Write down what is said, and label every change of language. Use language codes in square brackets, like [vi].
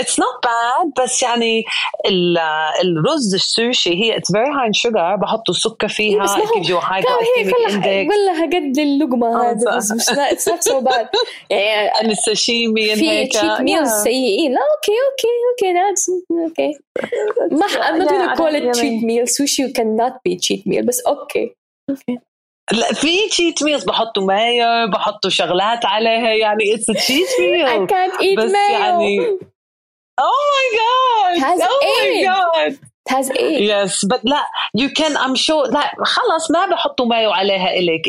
[en] It's not bad, [ar] بس يعني الرز السوشي هي [en] it's very high in sugar، [ar] بحطوا سكر فيها. [en] It gives you a high glycemic index. [ar] قل لها قد اللقمة هذا. [en] It's not so bad. Yeah. And sashimi and [ar] هيك. في cheat meals سيئين. [en] Okay. That's okay. ما I'm not gonna call it cheat meal. Sushi cannot be cheat meal. بس okay. [ar] لا في cheat meals بحطوا مايو، بحطوا شغلات عليها يعني [en] it's a cheat meal. I can't eat mayo. يعني oh my god. Has oh egg. My god. Has egg. Yes, but [ar] لا [en] you can I'm sure [ar] لا خلاص ما بحطوا مايو عليها إليك.